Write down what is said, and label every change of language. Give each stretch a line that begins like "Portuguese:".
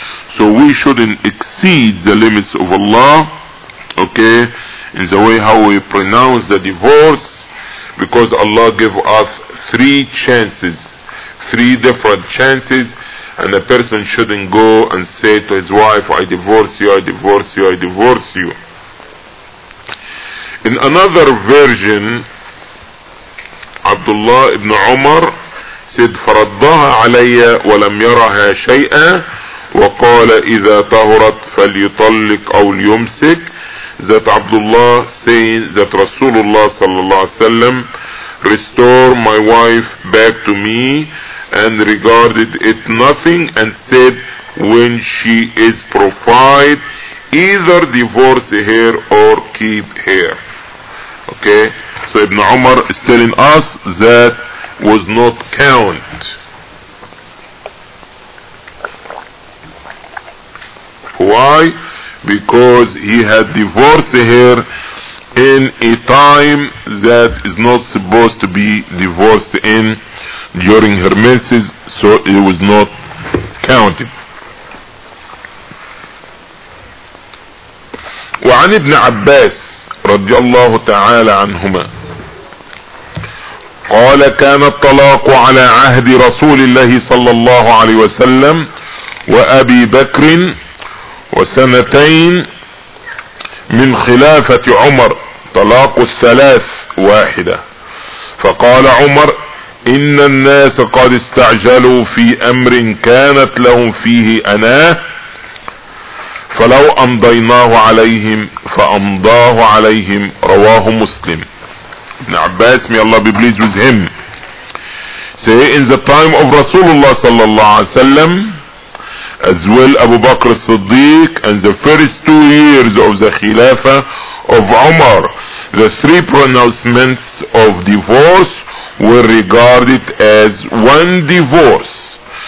English: So we shouldn't exceed the limits of Allah, okay, in the way how we pronounce the divorce, because Allah gave us three chances, three different chances, and a person shouldn't go and say to his wife, I divorce you, I divorce you, I divorce you. In another version, Abdullah ibn Umar said,
Arabic: فَرَضَّهَا عَلَيَّ وَلَمْ يَرَهَا شَيْئًا وَقَالَ إِذَا طَهُرَتْ فَلْيُطَلِّقْ أَوْ لِيُمْسِكْ.
English: That Abdullah saying that Rasulullah sallallahu alayhi wa sallam restored my wife back to me and regarded it nothing and said, when she is profiled, either divorce her or keep her. Okay, so Ibn Umar is telling us that was not count. Why? Because he had divorced her in a time that is not supposed to be divorced in during her menses, so it was not counted.
Arabic: وعن ابن عباس رضي الله تعالى عنهما قال كان الطلاق على عهد رسول الله صلى الله عليه وسلم وأبي بكر وسنتين من خلافة عمر طلاق الثلاث واحدة فقال عمر إن الناس قد استعجلوا في أمر كانت لهم فيه أناة فلو أمضيناه عليهم فأمضاه عليهم رواه مسلم.
English: ابن عباس may Allah be pleased with him say in the time of Rasulullah sallallahu alayhi wa sallam as well Abu Bakr al-Siddiq and the first 2 years of the Khilafah of Umar the 3 pronouncements of divorce were regarded as one divorce.